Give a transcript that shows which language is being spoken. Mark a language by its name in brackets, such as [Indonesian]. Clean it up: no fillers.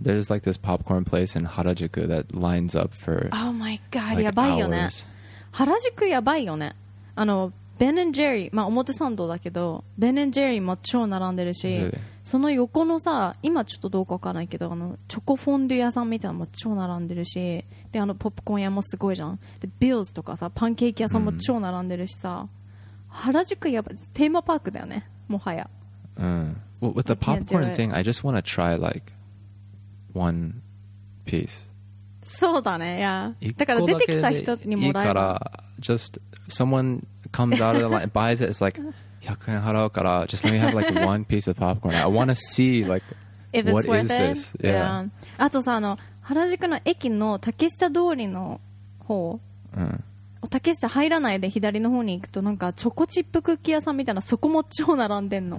[English] There's like this popcorn place in Harajuku that lines up for Oh my god, [Japanese] やばいよね。原宿やばいよね。 Ben & Jerry, まあ表参道だけど、 Ben & Jerry も超並んでるし、 その横のさ、 今ちょっとどうかわからないけど、 チョコフォンデュ屋さんみたいなのも超並んでるし、 で、あのポップコーン屋もすごいじゃん。で、ビルズとかさ、 パンケーキ屋さんも超並んでるしさ、 原宿やっぱテーマパークだよね、 もはや。 [English] Well, with the popcorn thing, I just want to try like one piece. [Japanese] そうだね、 yeah. だから出てきた人にもらえる。 [English] Just someone comes out of the line, buys it, it's like [Japanese] 100円 払うから, [English] just let me have like one piece of popcorn. I want to see like if what is worth this. It. Yeah. [Japanese] あとさ、原宿の駅の竹下通りの方、 竹下入らないで左の方に行くと、なんかチョコチップクッキー屋さんみたいな、 そこも超並んでんの。